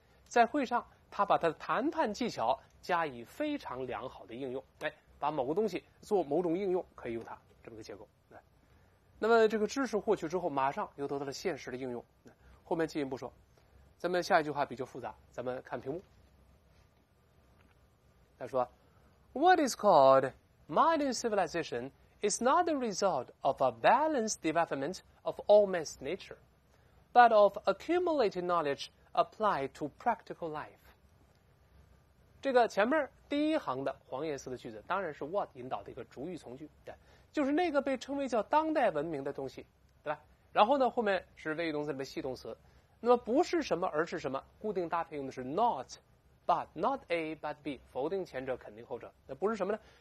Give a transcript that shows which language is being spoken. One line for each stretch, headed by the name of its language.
Chinese: 在会上，他把他的谈判技巧加以非常良好的应用。来，把某个东西做某种应用，可以用它，这么个结构。来，那么这个知识获取之后，马上又得到了现实的应用。后面进一步说，咱们下一句话比较复杂，咱们看屏幕。他说
English: What is called modern civilization is not the result of a balanced development of all man's nature but of accumulated knowledge applied to practical life。
Chinese: 这个前面第一行的黄颜色的句子当然是 what 引导的一个主语从句，对，就是那个被称为叫当代文明的东西，对吧，然后呢，后面是谓语动词里面系动词。那么不是什么，而是什么？固定搭配用的是 not, but, not A, but B, 否定前者，肯定后者。那不是什么呢？